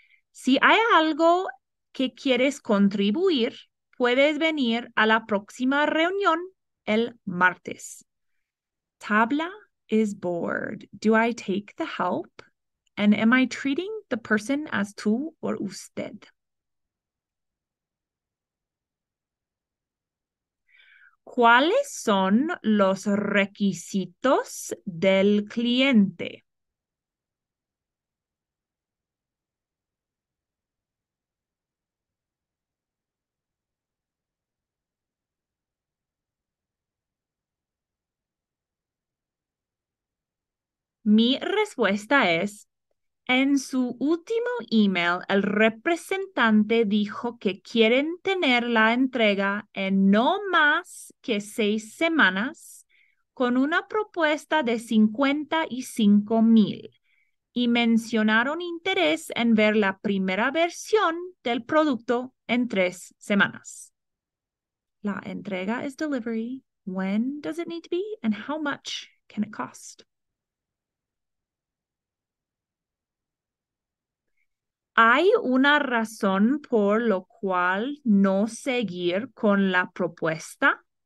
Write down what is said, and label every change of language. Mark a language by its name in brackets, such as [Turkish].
[Spanish] Si hay algo que quieres contribuir, puedes venir a la próxima reunión el martes. [English] Tabla is bored. Do I take the help? And am I treating the person as tú or usted? [Spanish] ¿Cuáles son los requisitos del cliente? Mi respuesta es, en su último email, el representante dijo que quieren tener la entrega en no más que 6 semanas con una propuesta de 55,000 y mencionaron interés en ver la primera versión del producto en 3 semanas. La entrega es delivery. [English] When does it need to be and how much can it cost? [Spanish] ¿Hay una razón por lo cual no seguir con la propuesta?